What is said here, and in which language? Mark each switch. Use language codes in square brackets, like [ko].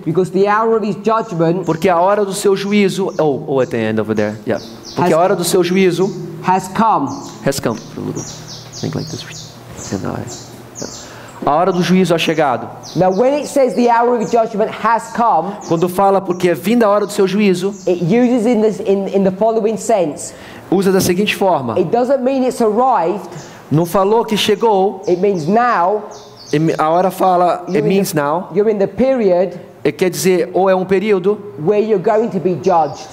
[en] Because the hour of his judgment. [pt] Porque a hora do seu juízo. [en] Oh, at the end over there. [pt] Yeah. Porque a hora do seu juízo. [en] Has come. Has come. A little, think like this. And I. [pt] A hora do juízo é chegado. [en] Now when it says the hour of judgment has come, [pt] quando fala porque é vinda a hora do seu juízo, [en] it uses in this, in the following sense. [pt] Usa da seguinte forma. [en] It doesn't mean it's arrived. [pt] Não falou que chegou. [en] It means now. [pt] A hora fala [en] it means the, now. You're in the period. [pt] quer dizer, ou é um período [en] where you're going to be judged,